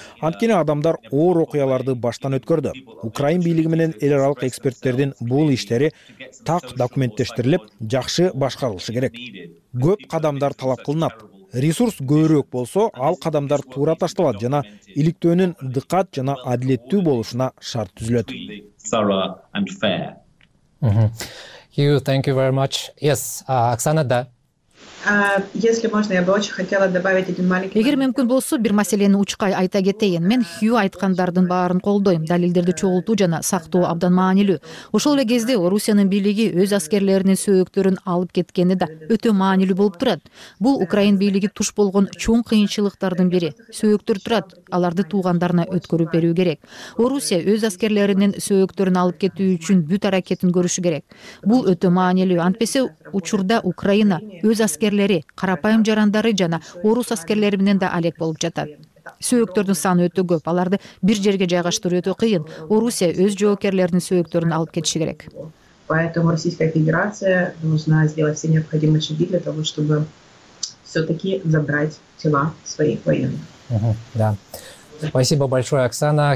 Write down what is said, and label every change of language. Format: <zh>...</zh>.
<ky>Анткени адамдар оор окуяларды баштан өткөрдү. Украин бийлиги менен эл аралык эксперттердин бул иштери так документтештирилип, жакшы башкарылышы керек. Көп кадамдар талап кылынат. Ресурс көбүрөөк болсо, ал кадамдар туура ташталат жана иликтөөнүн дыкат жана адилеттүү болушуна шарт түзүлөт.</ky> <en>Thank you very much. Yes, Оксана, да.</en> <ru>Если можно, я бы очень хотела добавить один маленький.</ru> <ky>Егер мүмкүн болсо, бир маселени учкай айта кетейин. Мен Хью айткандардын баарын колдойм. Далилдерди чогултуу жана сактоо абдан маанилүү. Ошол эле кезде Орусиянын бийлиги өз аскерлеринин сөөктөрүн алып кеткени да өтө маанилүү болуп турат. Бул Украин бийлиги туш болгон чоң кыйынчылыктардын бири. Сөөктөр турат, аларды туугандарына өткөрүп берүү керек. Орусия өз аскерлеринин сөөктөрүн алып кетүү үчүн бүт аракетин көрүшү керек. Бул өтө маанилүү. Антпесе учурда Украина өз аскерлери, карапайым жарандары жана орус аскерлери менен да алек болуп жатат. Сөөктөрдүн саны өтө көп. Аларды бир жерге жайгаштыруу өтө кыйын. Орусия өз жоокерлеринин сөөктөрүн алып кетиши керек.</ky> <ru>Поэтому Российская Федерация должна сделать все необходимые шаги для того, чтобы все-таки забрать тела своих военных. Да. Спасибо большое, Оксана.</ru>